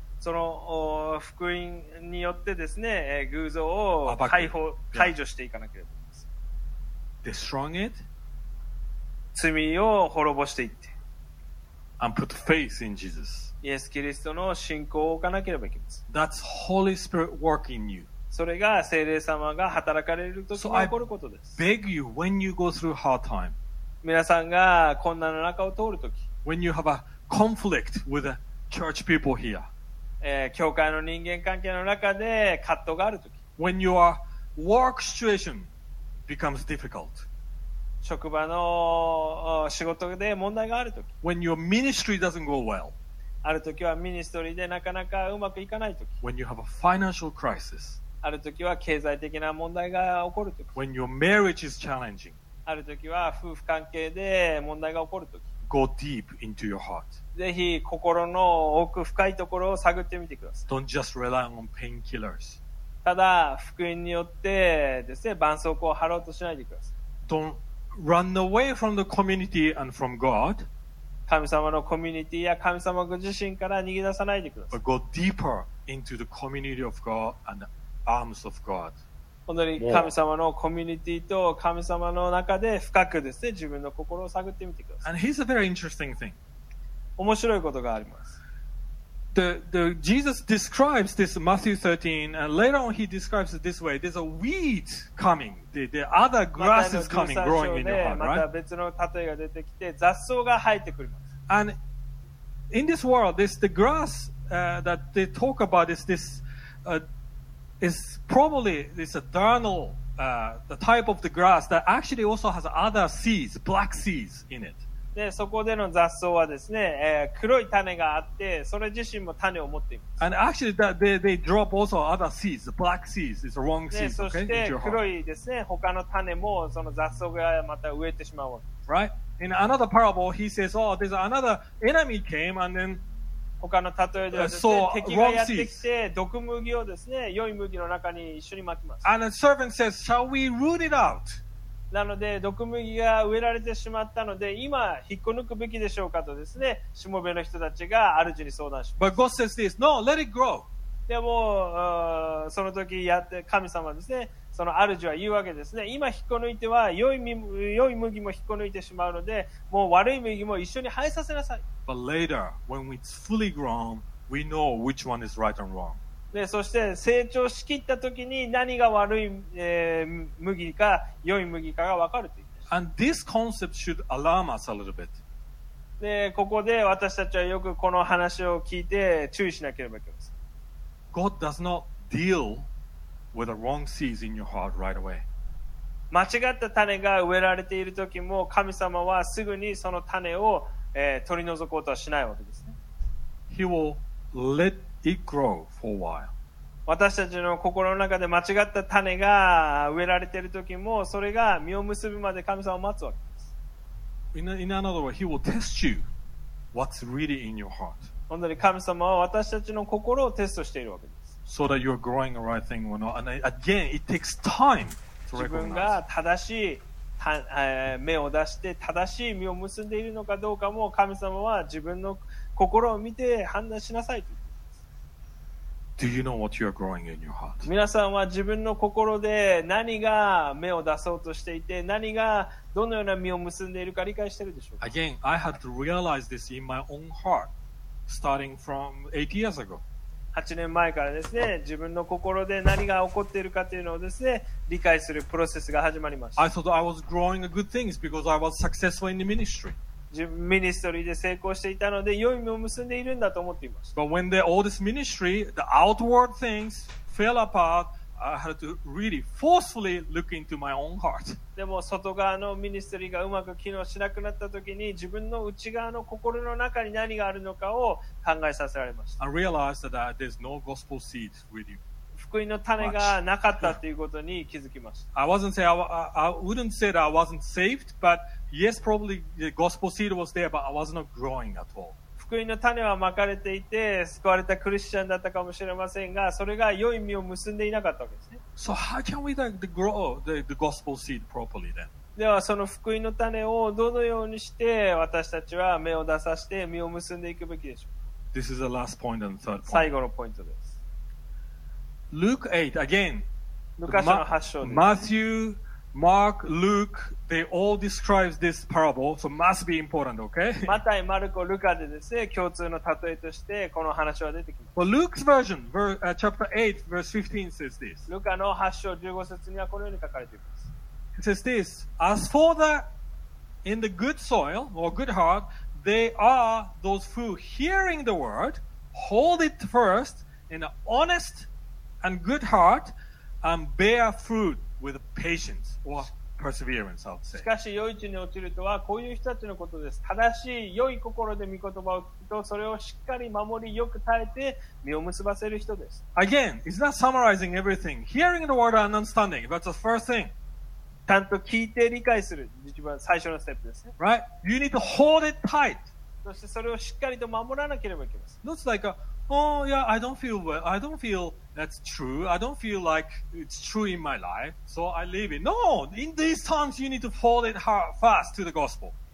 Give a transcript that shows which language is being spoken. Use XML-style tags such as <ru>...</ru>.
<ja>その福音によってですね、偶像を解除していかなければいけません。</ja> <en>Destroying it?</en> <ja>罪を滅ぼしていって</ja> <en>And put faith in Jesus.</en> <ja>イエス・キリストの信仰を置かなければいけません。</ja> <en>That's Holy Spirit working in you.</en> <ja>それが聖霊様が働かれるときに起こることです。</ja> <en>So I beg you, when you go through hard time,</en> <ja>皆さんが困難の中を通るとき</ja> <en>When you have a conflict with the church people here.</en> <ja>教会の人間関係の中で葛藤があるとき。</ja> <en>When your work situation becomes difficult.</en> <ja>職場の仕事で問題があるとき。</ja> <en>When your ministry doesn't go well.</en> <ja>あるときはミニストリーでなかなかうまくいかないとき。</ja> <en>When you have a financial crisis.</en> <ja>あるときは経済的な問題が起こるとき。</ja> <en>When your marriage is challenging.</en> <ja>あるときは夫婦関係で問題が起こるとき。</ja> <en>Go deep into your heart.</en> <ja>ぜひ心の奥深いところを探ってみてください。</ja> <en>Don't just rely on painkillers.</en> <ja>ただ福音によってですね、絆創膏を貼ろうとしないでください。</ja> <en>Don't run away from the community and from God.</en> <ja>神様のコミュニティや神様ご自身から逃げ出さないでください。</ja> <en>But go deeper into the community of God and the arms of God.</en> <ja>本当に神様のコミュニティと神様の中で深くですね、自分の心を探ってみてください。</ja> <en>And here's a very interesting thing.</en> <ja>面白いことがあります。</ja> <en>The Jesus describes this in Matthew 13, and later on he describes it this way. There's a weed coming. The other grass is coming, growing in your heart, right?</en> <ja>また別の例えが出てきて、雑草が生えてくる。</ja> <en>And in this world, this the grass that they talk about is this is probably this eternal the type of the grass that actually also has other seeds, black seeds in it.</en> <ja>でそこでの雑草はですね、黒い種があって、それ自身も種を持っています。</ja> <en>And actually, that they drop also other seeds, black seeds, it's wrong seeds.</en> <ja>そして黒いですね、他の種もその雑草がまた植えてしまうわけ。</ja> <en>Right? In another parable, he says, "Oh, there's another enemy came and then."</en> <ja>他の例えではですね、敵がやってきて毒麦をですね、良い麦の中に一緒に撒きます。</ja> <en>And the servant says, "Shall we root it out?"</en> <ja>なので毒麦が植えられてしまったので、今引っこ抜くべきでしょうかとですね、しもべの人たちが主に相談します。</ja> <en>But God says this, "No, let it grow."</en> <ja>でも、その時やって神様ですね、その主は言うわけですね、今引っこ抜いては良い麦も引っこ抜いてしまうので、もう悪い麦も一緒に生えさせなさい。</ja> <en>But later, when it's fully grown, we know which one is right and wrong.</en> <ja>でそして成長しきった時に何が悪い、麦か良い麦かが分かると言って。</ja> <en>And this concept should alarm us a little bit.</en> <ja>でここで私たちはよくこの話を聞いて注意しなければいけません。</ja> <en>God does not deal with the wrong seeds in your heart right away.</en> <ja>間違った種が植えられている時も、神様はすぐにその種を、取り除こうとはしないわけですね。</ja> <en>He will let it grow for a while.</en> <ja>私たちの心の中で間違った種が植えられている時も、それが実を結ぶまで神様を待つわけです。</ja> <en>In another word, He will test you what's really in your heart.</en> <ja>本当に神様は私たちの心をテストしているわけです。</ja> <en>So that you're growing the right thing or not. And again, it takes time to recognize.</en> <ja>自分が正しい芽を出して正しい実を結んでいるのかどうかも神様は自分の心を見て判断しなさいと言っています。</ja> <en>Do you know what you're growing in your heart?</en> <ja>皆さんは自分の心で何が芽を出そうとしていて、何がどのような実を結んでいるか理解しているでしょうか?</ja> <en>Again, I had to realize this in my own heart. Starting from 8 years ago.</en> <ja>8年前からですね、自分の心で何が起こっているかというのをですね、理解するプロセスが始まりました。</ja> <en>I thought I was growing good things because I was successful in the ministry.</en> <ja>ミニストリーで成功していたので、良い実を結んでいるんだと思っていました。</ja> <en>But when all this ministry, the outward things fell apart, I had to really forcefully look into my own heart.</en> <ja>でも外側のミニストリーがうまく機能しなくなった時に、自分の内側の心の中に何があるのかを考えさせられました。</ja> <en>I realized that there's no gospel seeds really.</en> <ja>福音の種がなかったということに気づきました。</ja> <en>I wouldn't say that I wasn't saved, but yes, probably the gospel seed was there, but I was not growing at all.</en> <ja>福音の種はまかれていて、救われたクリスチャンだったかもしれませんが、それが良い実を結んでいなかったわけですね。</ja> <en>So how can we like grow the gospel seed properly then?</en> <ja>ではその福音の種をどのようにして私たちは芽を出させて実を結んでいくべきでしょうか?</ja> <en>This is the last point and third point.</en> <ja>最後のポイントです。</ja> <en>Luke 8, again.</en> <ja>ルカ書の8章です。</ja> <en>Matthew, Mark, Luke. They all describe this parable, so must be important, okay?</en> <ja>マタイ、マルコ、ルカでですね、共通の例えとしてこの話は出てきます。</ja> <en>But Luke's version, chapter 8, verse 15 says this.</en> <ja>ルカの8章15節にはこのように書かれています。</ja> <en>It says this, As for the, in the good soil, or good heart, they are those who hearing the word, hold it first in an honest and good heart, and bear fruit with patience. Or,Perseverance, I'll say.</en> <ja>しかし良い地に落ちるとはこういう人たちのことです。正しい良い心で御言葉を聞くと、それをしっかり守り、よく耐えて実を結ばせる人です。</ja> <en>Again, it's not summarizing everything. Hearing the word and understanding, that's the first thing.</en> <ja>ちゃんと聞いて理解する、一番最初のステップですね。</ja> <en>Right? You need to hold it tight.</en> <ja>そしてそれをしっかりと守らなければいけません。</ja> <en>Looks like a, oh yeah, I don't feel well. I don't feelThat's true. I don't feel like it's true in my life, so I leave it. No! In these times, you need to hold it hard, fast to the gospel.</en>